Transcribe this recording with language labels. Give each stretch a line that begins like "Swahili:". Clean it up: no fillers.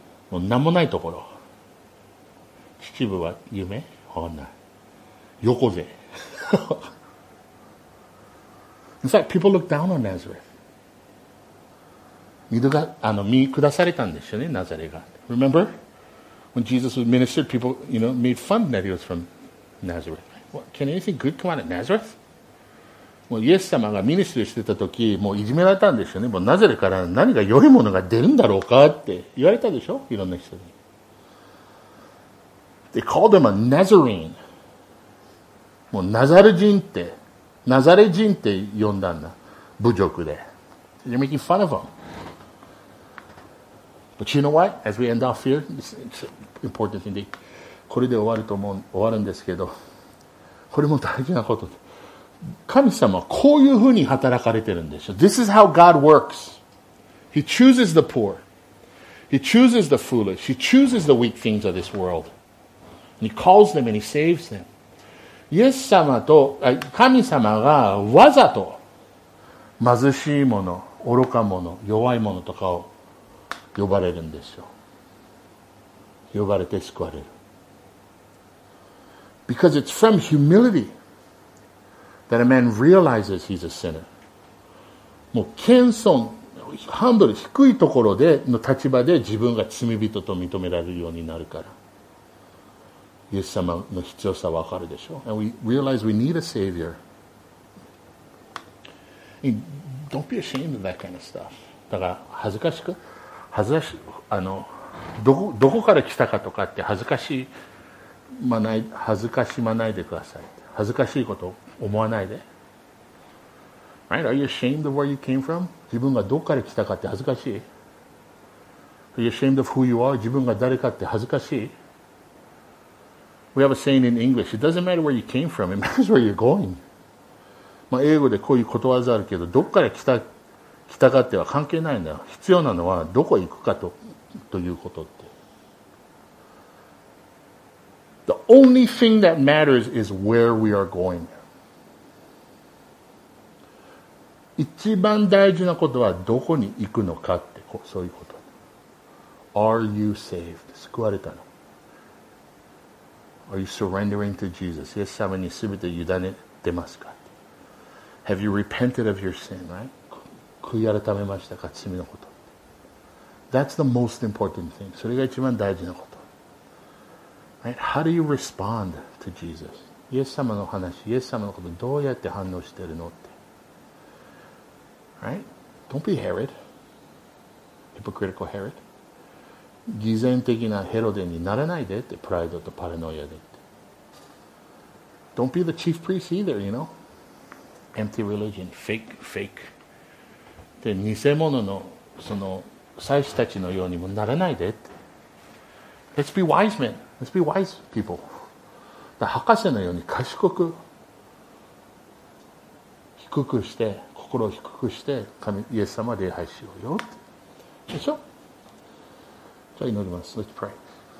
Japanese: もう名もないところ。秩父は夢？ほんな。横瀬。
English: It's like people look down on Nazareth.
Japanese: 見下されたんですよね、ナザレが。
English: Remember? When Jesus was ministered, people, you know, made fun that he was from Nazareth. What, can anything good come out of Nazareth?
Japanese: もうイエス様がミニストリーしてた時、もういじめられたんですよね。もうナザレから何が良いものが出るんだろうかって言われたでしょ、いろんな人に。
English: They called him a Nazarene.
Japanese: もうナザル人って、ナザレ人って呼んだんだ。侮辱で。
English: You're making fun of him. But you know what? As we end off here, it's an important thing.
Japanese: これで終わるんですけど、これも大事なこと。神様はこういうふうに働かれてるんでしょ。
English: This is how God works. He chooses the poor. He chooses the foolish. He chooses the weak things of this world. And he calls them and he saves them.
Japanese: イエス様と神様がわざと貧しいもの、愚か者、弱いものとかを呼ばれるんですよ。呼ばれて救われる。
English: Because it's from humility that a man realizes he's a sinner.
Japanese: もう謙遜、ハンドル低いところでの立場で自分が罪人と認められるようになるから。イエス様の必要さは分かるでしょ。
English: And we realize we need a savior. Don't be ashamed of that kind of stuff.
Japanese: だから恥ずかしく、恥ずかし、どこから来たかとかって恥ずかしまない、恥ずかしまないでください。恥ずかしいこと思わないで。
English: Right? Are you ashamed of where you came from?
Japanese: 自分がどこから来たかって恥ずかしい。
English: Are you ashamed of who you are?
Japanese: 自分が誰かって恥ずかしい。
English: We have a saying in English, it doesn't matter where you came from, it matters where you're going.
Japanese: まあ英語でこういうことわざあるけど、どこから来たかっては関係ないんだよ。必要なのはどこへ行くかということって。
English: The only thing that matters is where we are going.
Japanese: 一番大事なことはどこに行くのかって、こそういうこと。
English: Are you saved?
Japanese: 救われたの。
English: Are you surrendering to Jesus?
Japanese: イエス様にすべて委ねてますか。
English: Have you repented of your sin, right?
Japanese: 悔い改めましたか、罪のこと。
English: That's the most important thing.
Japanese: それが一番大事なこと。
English: Right? How do you respond to Jesus?
Japanese: イエス様の話、イエス様のこと、どうやって反応してるのって。
English: Right? Don't be Herod. Hypocritical Herod.
Japanese: 偽善的なヘロデにならないでって、プライドとパラノイアでって。
English: Don't be the chief priest either, you know? Empty religion, fake.
Japanese: で、偽物のその祭司たちのようにもならないで。
English: Let's be wise men. Let's be wise people.
Japanese: だ、博士のように賢く、低くして、心を低くして、神イエス様礼拝しようよ。でしょ？じゃあ祈ります。
English: Let's pray.